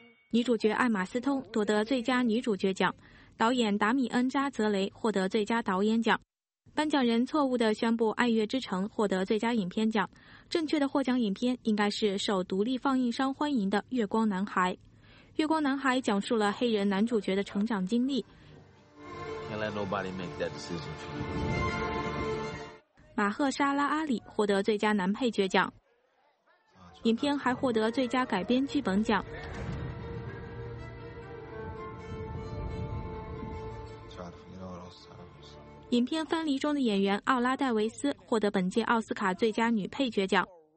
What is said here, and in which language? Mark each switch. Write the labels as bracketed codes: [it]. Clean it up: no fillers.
[zh] 女主角艾玛斯通夺得最佳女主角奖，导演达米恩扎泽雷获得最佳导演奖。颁奖人错误地宣布《爱乐之城》获得最佳影片奖，正确的获奖影片应该是受独立放映商欢迎的《月光男孩》。 《月光男孩》讲述了黑人男主角的成长经历。 [en] Can't let nobody make that decision for you. [zh] 马赫沙拉阿里获得最佳男配角奖，影片还获得最佳改编剧本奖。影片《分离》中的演员奥拉戴维斯获得本届奥斯卡最佳女配角奖，